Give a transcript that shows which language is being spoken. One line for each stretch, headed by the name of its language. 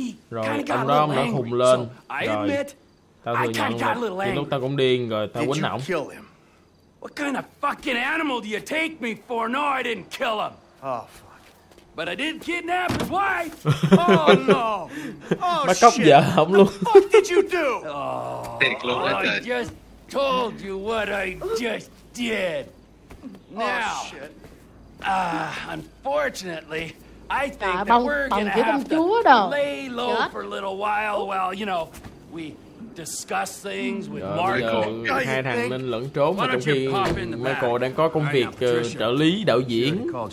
Vietnamese: Rồi ông đó ông đã hùng lên. Rồi tao thừa nhận rồi. Thì lúc tao cũng điên rồi tao quýnh ổng.
English: What kind of fucking animal do you take me for? No, I didn't kill him. Oh fuck. But I did kidnap his wife. Oh no.
Vietnamese: Oh, bắt cóc vợ ổng luôn.
English: What the fuck did you do? Oh, I just told you what I just did. Now, unfortunately, I think that we're gonna have to lay low for a little while, you know, we discuss things with Marco.
Vietnamese: Hai thằng nên lẩn trốn mà trong khi Marco đang có công việc trợ lý đạo diễn.